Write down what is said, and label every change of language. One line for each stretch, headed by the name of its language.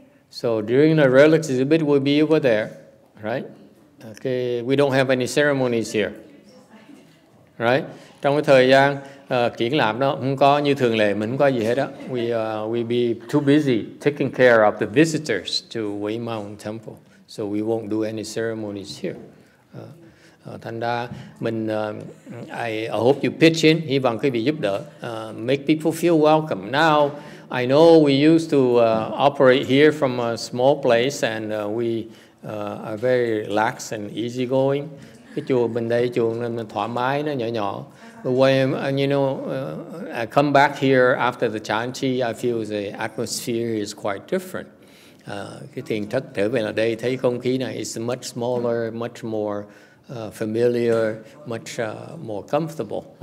English: So during the relics exhibit, we'll be over there, right? Okay. We don't have any ceremonies here, right?
Vietnamese: Trong cái thời gian triển lãm đó, không có như thường lệ, mình không có gì hết đó.
English: We be too busy taking care of the visitors to Way Mountain Temple, so we won't do any ceremonies here.
Vietnamese: Thành ra mình
English: I hope you pitch in,
Vietnamese: hy vọng quý vị giúp đỡ,
English: make people feel welcome. Now I know we used to operate here from a small place and we are very lax and easy going.
Vietnamese: Cái chùa bên đây chùa nó thoải mái, nó nhỏ nhỏ.
English: But when I come back here after the chan chi, I feel the atmosphere is quite different.
Vietnamese: Cái thiền thất trở về là đây thấy không khí này
English: is much smaller, much more familiar, much more comfortable.